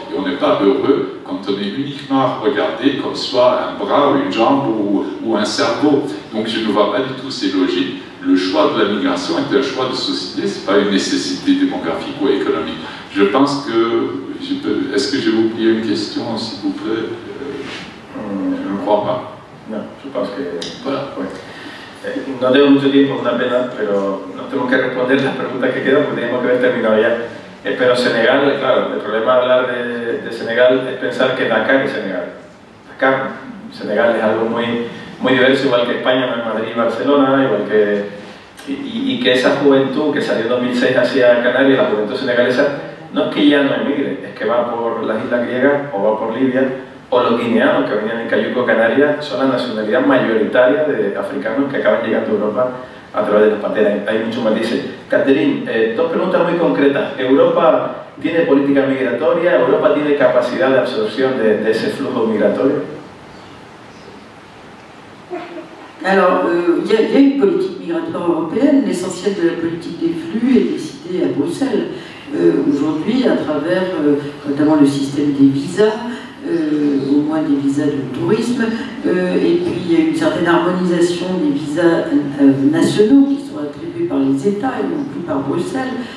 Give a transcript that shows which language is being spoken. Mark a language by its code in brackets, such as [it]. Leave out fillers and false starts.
[fr] Et on n'est pas heureux quand on est uniquement regardé comme soit un bras ou une jambe ou un cerveau. Donc je ne vois pas du tout ces logiques. Le choix de la migration est un choix de société, ce n'est pas une nécessité démographique ou économique. Je pense que... Est-ce que j'ai oublié une question, s'il vous plaît? Je ne crois pas. Non, je pense que... Voilà, oui. [es] No tengo mucho tiempo, es una pena, pero no tengo que responder las preguntas que quedan porque tenemos que haber terminado ya. Pero Senegal, claro, el problema de hablar de Senegal es pensar que Dakar es Senegal. Dakar, Senegal es algo muy, muy diverso, igual que España, no es Madrid y Barcelona, igual que... Y que esa juventud que salió en 2006 hacia Canarias, la juventud senegalesa, no es que ya no emigre, es que va por las islas griegas o va por Libia, o los guineanos que venían en Cayuco, Canarias, son la nacionalidad mayoritaria de africanos que acaban llegando a Europa a través de las pantallas. Hay muchos matices. Catherine, dos preguntas muy concretas. ¿Europa tiene política migratoria? ¿Europa tiene capacidad de absorción de ese flujo migratorio? [fr] Alors, il y a une politique migratoire européenne. L'essentiel de la politique des flux est décidé à Bruxelles. Aujourd'hui, à travers notamment le système des visas, au moins des visas de tourisme, et puis il y a une certaine harmonisation des visas nationaux qui sont attribués par les États et non plus par Bruxelles.